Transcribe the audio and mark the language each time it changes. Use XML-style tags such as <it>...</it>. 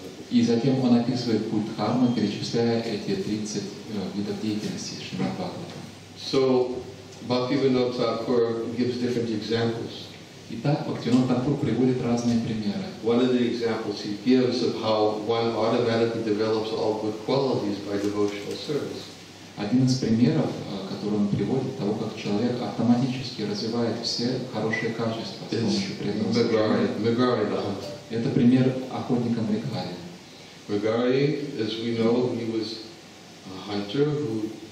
<ru>И затем он описывает путь Дхармы, перечисляя эти 30 видов деятельности Шримад-Бхагаватам.</ru> <en>So, Bhaktivinoda Thakur gives different examples.</en> <ru>Итак, Бхактивинода Тхакур приводит разные примеры.</ru> <en>One of the examples he gives of how one automatically develops all good qualities by devotional service.</en> <ru>Один из примеров, который он приводит, того, как человек автоматически развивает все хорошие качества с помощью преданного служения. Это пример охотника Мригари.</ru> <en>Мригари, as we know, he was a hunter who</en>